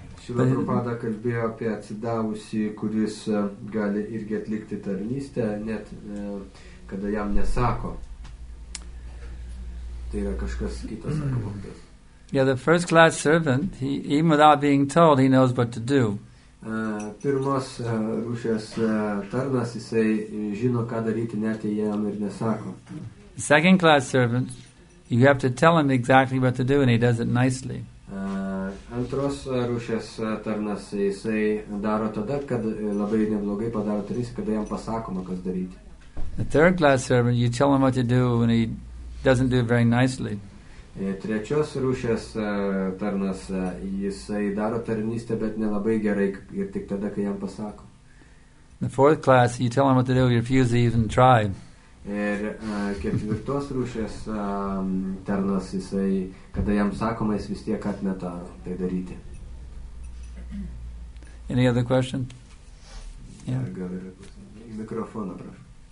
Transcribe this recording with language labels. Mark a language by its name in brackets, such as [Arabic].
[Lithuanian] Prabhupada kalbėjo apie atsidavusį, kuris gali irgi atlikti tarnystę, net kada jam nesako. Tai yra kažkas kitas sakomas. [English] Yeah, the first class servant, even without being told, he knows what to do. [Lithuanian] Pirmos rūšės tarnas, jisai žino, ką daryti, net jam ir nesako. [English] Second class servant, you have to tell him exactly what to do, and he does it nicely. [Lithuanian] Antros rūšės tarnas, jisai daro tada, kad labai neblogai padaro tris, kada jam pasakoma, kas daryti. [English] The third class servant, you tell him what to do and he doesn't do it very nicely. [Lithuanian] Trečios rūšės tarnas, jisai daro tarnystę, bet nelabai gerai ir tik tada, kai jam pasako. [English] The fourth class, you tell him what to do, you refuse to even try. [Lithuanian] Ir ketvirtos rūšės tarnas, jisai, kada jam sakoma, jis vis tiek atmeta tai daryti. [English] Any other question? Yeah. [Lithuanian] Gal ir mikrofoną, prašau.